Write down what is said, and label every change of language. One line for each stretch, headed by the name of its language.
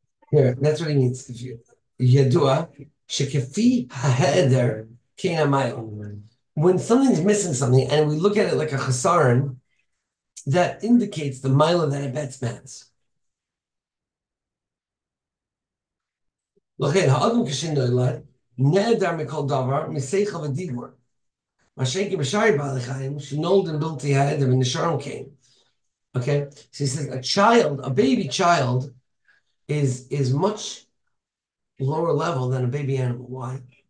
English: Here, that's what he needs.
Hebrew: Yedua, shekefi ha'eder kein ha'mayel.
English: When something's missing something and we look at it like a chesaron, that indicates the mile that it be'etzem has.
Hebrew: לכן, האדם כשנולד, נעדר מכל דבר, משכל ודיבור. מה שאין כי בשאר בעלי חיים, שנולדים בלתי העדר ונשארם כן.
English: Okay? So he says, a child, a baby child, is much lower level than a baby animal. Why?